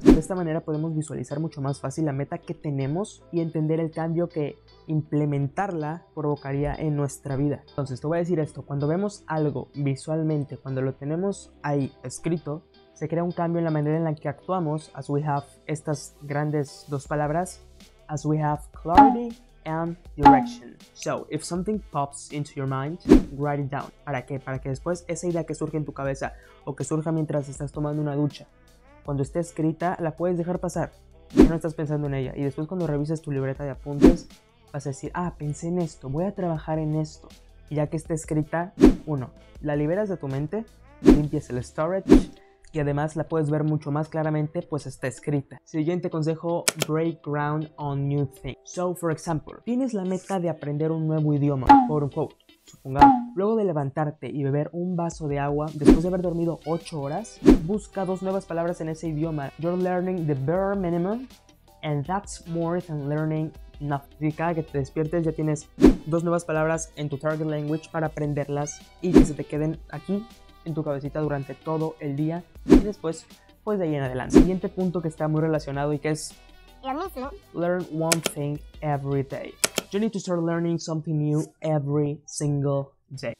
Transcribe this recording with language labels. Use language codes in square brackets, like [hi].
[es] De esta manera podemos visualizar mucho más fácil la meta que tenemos y entender el cambio que implementarla provocaría en nuestra vida. Entonces, te voy a decir esto, cuando vemos algo visualmente, cuando lo tenemos ahí escrito, se crea un cambio en la manera en la que actuamos, [en] as we have [es] estas grandes dos palabras, [en] as we have clarity and direction. So, if something pops into your mind, write it down. [es] ¿Para qué? Para que después esa idea que surge en tu cabeza o que surja mientras estás tomando una ducha, cuando esté escrita, la puedes dejar pasar. Ya no estás pensando en ella. Y después cuando revises tu libreta de apuntes, vas a decir, ah, pensé en esto, voy a trabajar en esto. Y ya que esté escrita, uno, la liberas de tu mente, limpias el storage y además la puedes ver mucho más claramente, pues está escrita. Siguiente consejo, [en] break ground on new things. So, for example, [es] tienes la meta de aprender un nuevo idioma, [en] quote unquote. [es] Suponga, luego de levantarte y beber un vaso de agua después de haber dormido 8 horas, busca dos nuevas palabras en ese idioma. [en] You're learning the bare minimum and that's more than learning nothing. [es] Y cada que te despiertes ya tienes dos nuevas palabras en tu target language para aprenderlas y que se te queden aquí en tu cabecita durante todo el día y después pues de ahí en adelante. Siguiente punto que está muy relacionado y que es lo mismo. [en] Learn one thing every day. You need to start learning something new every single day.